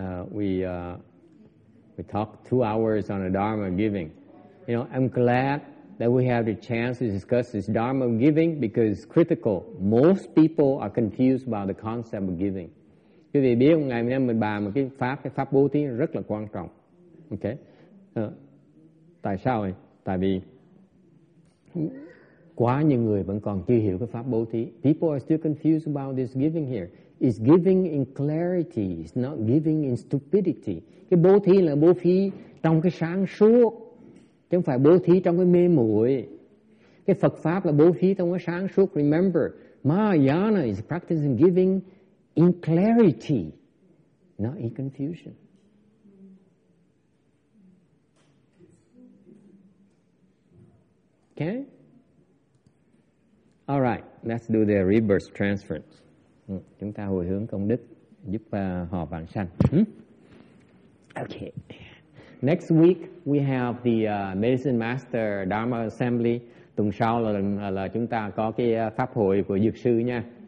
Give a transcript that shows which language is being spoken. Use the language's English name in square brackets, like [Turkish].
[English] we talk 2 hours on the Dharma of giving. You know, I'm glad that we have the chance to discuss this Dharma of giving because it's critical. Most people are confused about the concept of giving. [Vietnamese] Quý vị biết ngày hôm nay mình bàn một cái pháp bố thí rất là quan trọng. Ok. Tại sao vậy? Tại vì quá nhiều người vẫn còn chưa hiểu cái pháp bố thí. [English] People are still confused about this giving here. It's giving in clarity. It's not giving in stupidity. [Vietnamese] Cái bố thí là bố thí trong cái sáng suốt. Chứ không phải bố thí trong cái mê muội. Cái Phật Pháp là bố thí trong cái sáng suốt. [English] Remember, Mahayana is practicing giving in clarity, not in confusion. Okay? All right, let's do the rebirth transference. [Vietnamese] Chúng ta hồi hướng công đức giúp họ vãng sanh. [English] Okay. Next week, we have the Medicine Master Dharma Assembly. [Vietnamese] Tuần sau là chúng ta có cái pháp hội của dược sư nha.